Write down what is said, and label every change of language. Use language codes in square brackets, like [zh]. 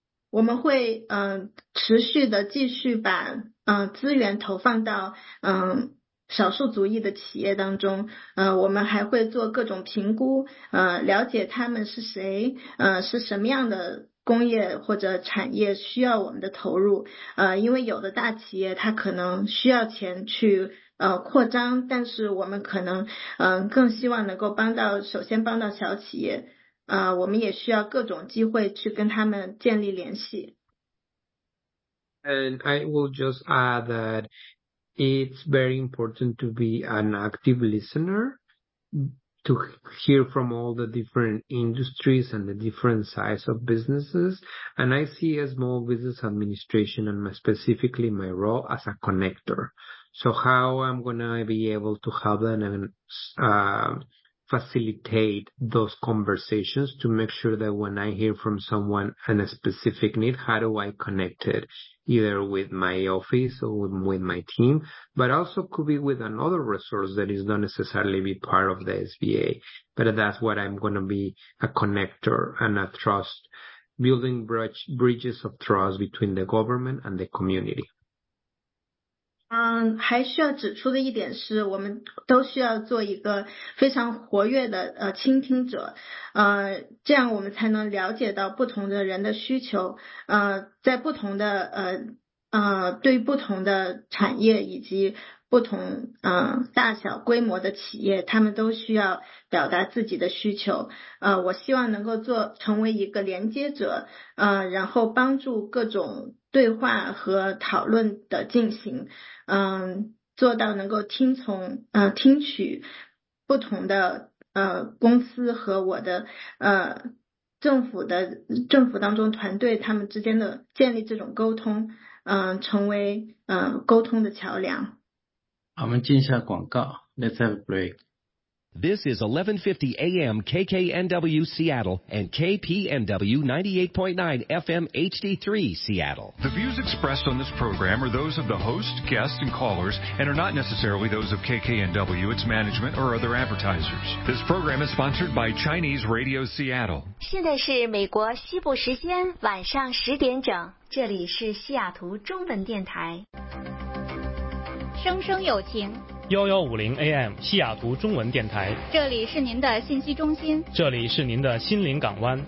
[zh] 我们会持续的继续把资源投放到少数族裔的企业当中，我们还会做各种评估，了解他们是谁，是什么样的工业或者产业需要我们的投入，因为有的大企业它可能需要钱去扩张，但是我们可能更希望能够帮到，首先帮到小企业，我们也需要各种机会去跟他们建立联系。 [en] And I will just add that it's very important to be an active listener, to hear from all the different industries and the different size of businesses. And I see a small business administration and specifically my role as a connector. So how I'm going to be able to help them and facilitate those conversations to make sure that when I hear from someone and a specific need, how do I connect it? Either with my office or with my team, but also could be with another resource that is not necessarily be part of the SBA. But that's what I'm going to be, a connector and a trust, building bridges of trust between the government and the community. [zh] 还需要指出的一点是，我们都需要做一个非常活跃的倾听者，这样我们才能了解到不同的人的需求，在不同的对不同的产业以及不同大小规模的企业，他们都需要表达自己的需求，我希望能够成为一个连接者，然后帮助各种对话和讨论的进行，做到能够听取不同的公司和我的政府当中团队他们之间的建立这种沟通，成为沟通的桥梁。我们进一下广告 ， [en] Let's have a break. This is 1150 AM KKNW Seattle and KPNW 98.9 FM HD3 Seattle. The views expressed on this program are those of the host, guests, and callers, and are not necessarily those of KKNW, its management, or other advertisers. This program is sponsored by Chinese Radio Seattle. [zh] 现在是美国西部时间晚上十点整，这里是西雅图中文电台。声声有情， 1150 AM 西雅图中文电台，这里是您的信息中心，这里是您的心灵港湾，